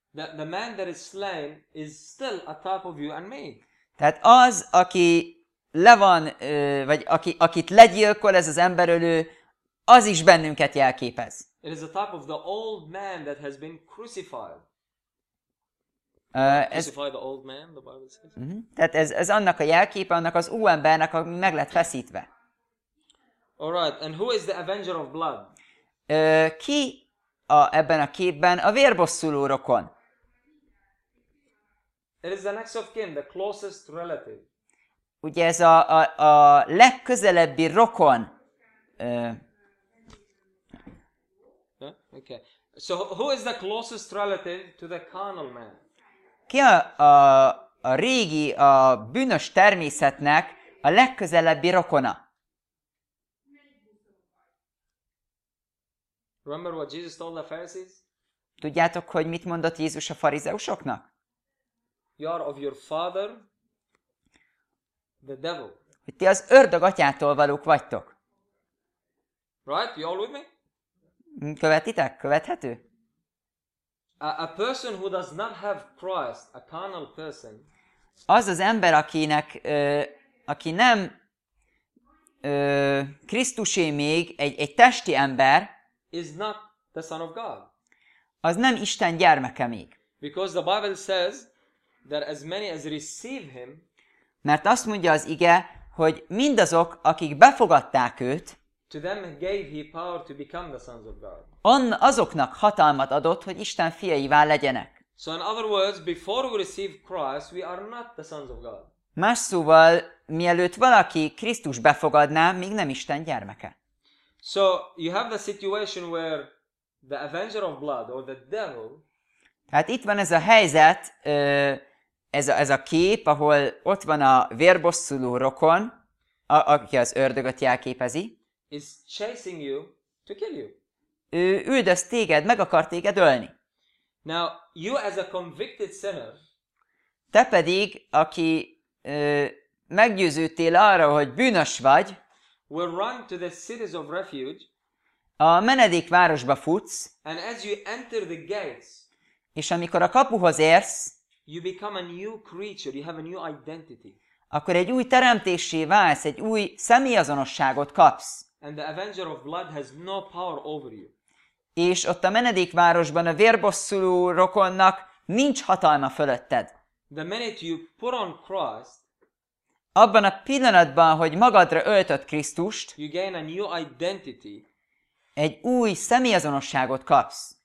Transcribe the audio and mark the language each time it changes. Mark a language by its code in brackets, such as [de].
[en] The man that is slain is still a type of you and me. [hu] Tehát az, aki le van, vagy akit legyilkol ez az emberölő, az is bennünket jelképez. [en] It is a type of the old man that has been crucified. Crucified the old man, the Bible says. [hu] Tehát ez annak a jelképe, annak az új embernek, ami meg lett feszítve. [en] All right, and who is the avenger of blood? [hu] Ki ebben a képben a vérbosszuló rokon? [en] It is the next of kin, the closest relative. [hu] Ugye ez a legközelebbi rokon. [en] Okay. So who is the closest relative to the carnal man? [hu] Ki a régi, a bűnös természetnek a legközelebbi rokona? [en] Remember what Jesus told the Pharisees? [hu] Tudjátok, hogy mit mondott Jézus a farizeusoknak? [en] You are of your father, the devil. [hu] Hogy ti az ördög atyától valók vagytok. [en] Right? You all with me? [hu] Követitek? Követhető? [en] A person who does not have Christ, a carnal person. [hu] Az az ember, akinek, aki nem Krisztusé még, egy testi ember, [en] is not the son of God. [hu] Az nem Isten gyermeke még. [en] Because the Bible says that as many as receive him, [hu] mert azt mondja az ige, hogy mindazok, akik befogadták őt, [en] to them gave he power to become the sons of God. [hu] Azoknak hatalmat adott, hogy Isten fiaivá legyenek. [en] So in other words, before we receive Christ, we are not the sons of God. [hu] Más szóval, mielőtt valaki Krisztus befogadná, még nem Isten gyermeke. [en] So you have the situation where the avenger of blood or the devil. [hu] Tehát itt van ez a helyzet, ez a kép, ahol ott van a vérbosszuló rokon, aki az ördögöt jelképezi. [en] Is chasing you to kill you. [hu] Ő üldöz téged, meg akar téged ölni. [en] Now you as a convicted sinner. [hu] Te pedig, aki meggyőződtél arra, hogy bűnös vagy, [en] will run to the cities of refuge. [hu] A menedék városba futsz. [en] And as you enter the gates. [hu] És amikor a kapuhoz érsz, [en] you become a new creature, you have a new identity. [hu] Akkor egy új teremtéssé válsz, egy új személyazonosságot kapsz. [en] And the avenger of blood has no power over you. [hu] És ott a menedék városban a vérbosszuló rokonnak nincs hatalma fölötted. [en] The minute you put on Christ, [hu] abban a pillanatban, hogy magadra öltöd Krisztust, [en] you gain a new identity, [hu] egy új személyazonosságot kapsz.